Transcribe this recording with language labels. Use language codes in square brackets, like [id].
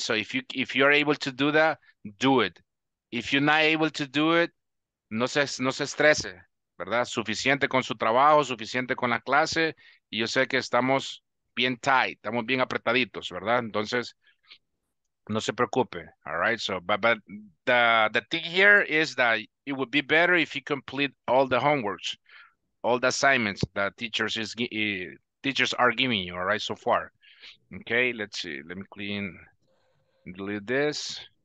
[en] So if you are able to do that, do it. If you're not able to do it, [es] no se estrese. ¿Verdad? Suficiente con su trabajo, suficiente con la clase, y yo sé que estamos bien tight, estamos bien apretaditos, ¿verdad? Entonces, no se preocupe, [en] all right? So, but the thing here is that it would be better if you complete all the homeworks, all the assignments that teachers are giving you, all right, so far. Okay, let's see, let me clean, delete this.